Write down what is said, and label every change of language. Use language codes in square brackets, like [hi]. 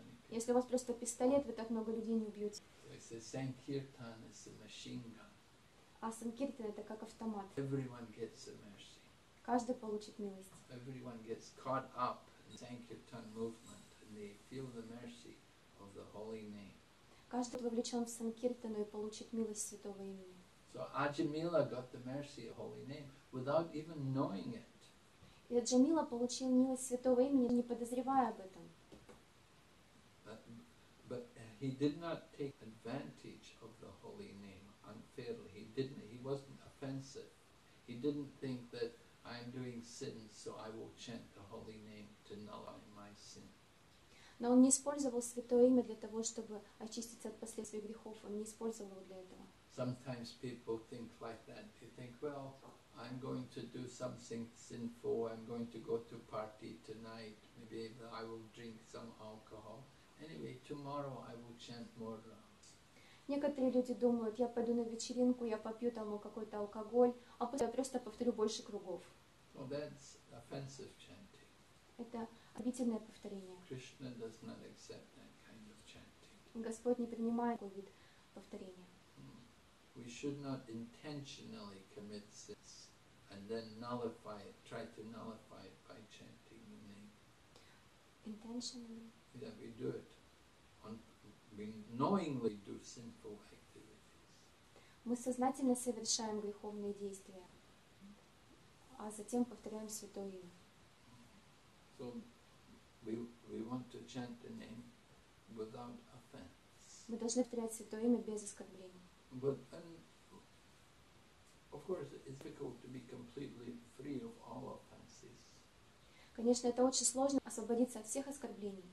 [ru] Если у вас просто пистолет, вы так много людей не убьете. [en] It's a sankirtan, it's a machine gun. [ru] А санкиртан это как автомат. [en] Everyone gets a mercy. [ru] Каждый получит милость. [en] Everyone gets caught up in sankirtan movement and they feel the mercy of the holy name. [ru] Каждый вовлечен в санкиртану и получит милость святого имени. [en] So Ajamila got the mercy of holy name without even knowing it. [ru] И Аджамила получил милость святого имени, не подозревая об этом. [en] But he did not take advantage of the holy name unfairly. He didn't. He wasn't offensive. He didn't think that I am doing sin, so I will chant the holy name to nullify my sin. [ru] Но он не использовал святое имя для того, чтобы очиститься от последствий грехов. Он не использовал для этого. [en] Sometimes people think like that. They think, well, I'm going to do something sinful. I'm going to go to a party tonight. Maybe I will drink some alcohol. Anyway, tomorrow I will chant more rounds. [ru] Некоторые люди думают, я пойду на вечеринку, я попью там какой-то алкоголь, а после я просто повторю больше кругов. [en] Well, that's offensive chanting. [ru] Это обидительное повторение. [en] Krishna does not accept that kind of chanting. [ru] Господь не принимает такой вид повторения. [en] We should not intentionally commit sins and then nullify it, try to nullify it by chanting the name. Intentionally? Yeah, we do it. We knowingly do sinful activities. [ru] Мы сознательно совершаем греховные действия, а затем повторяем святое имя. [en] So, we want to chant the name without offense. [ru] Мы должны повторять святое имя без оскорблений. [en] But and of course it's difficult to be completely free of all offenses. [ru] Конечно, это очень сложно освободиться от всех оскорблений.